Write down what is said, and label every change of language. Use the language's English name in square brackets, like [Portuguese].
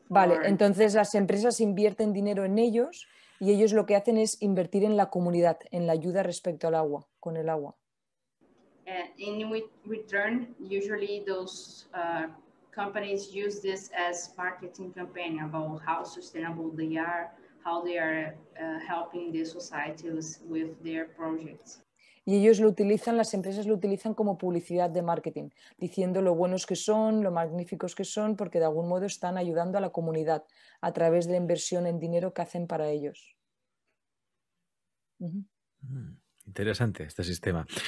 [Spanish] Vale, entonces las empresas invierten dinero en ellos y ellos lo que hacen es invertir en la comunidad, en la ayuda respecto al agua, con el agua. [English] And in return, usually those companies use this as marketing campaign about how sustainable they are, how they are helping the societies with their projects. [Spanish] Y ellos lo utilizan, las empresas lo utilizan como publicidad de marketing, diciendo lo buenos que son, lo magníficos que son, porque de algún modo están ayudando a la comunidad a través de la inversión en dinero que hacen para ellos. Interesante este sistema.